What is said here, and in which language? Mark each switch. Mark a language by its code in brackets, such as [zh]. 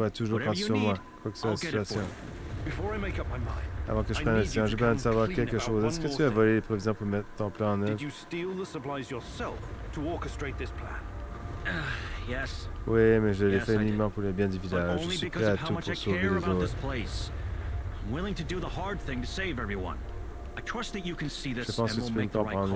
[en] Whatever you need, I'll get it for you. Before I make up my mind. [fr] Avant que je prenne la décision, j'ai besoin de savoir quelque chose. Est-ce que tu as volé les provisions pour mettre ton plan en œuvre? [en] Did you steal the supplies yourself to orchestrate this plan? Yes. [fr] Oui, mais je l'ai fait uniquement pour le bien du village. Je suis prêt à tout pour sauver les autres. [en] I'm willing to do the hard thing to save everyone. I trust that you can see this and we'll make the right call.